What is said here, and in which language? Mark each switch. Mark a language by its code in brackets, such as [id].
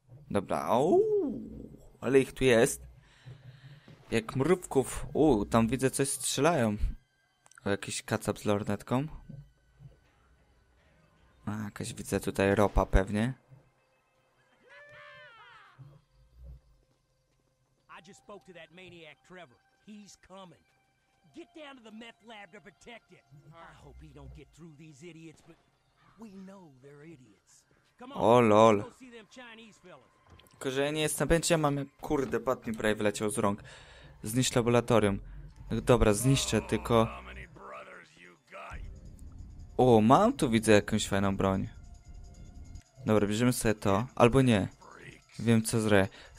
[pl] Dobra, ale ich tu jest. Jak mrówków. Tam widzę, coś strzelają. O, jakiś kacap z lornetką. A, jakaś widzę tutaj ropa pewnie. [en] Spoke to that maniac Trevor. He's coming. Get down to the meth lab to protect it. I hope he don't get through these idiots, but we know they're idiots. Come on. Oh lol. Let's go see them Chinese fellas. [pl] Tylko, że ja nie jestem pewien, czy ja mam... Kurde, pat mi prawie wyleciał z rąk. Zniszcz laboratorium. Dobra, zniszczę, tylko... O, mam tu, widzę, jakąś fajną broń. Dobra, bierzemy sobie to. Albo nie. Wiem, co zrobię.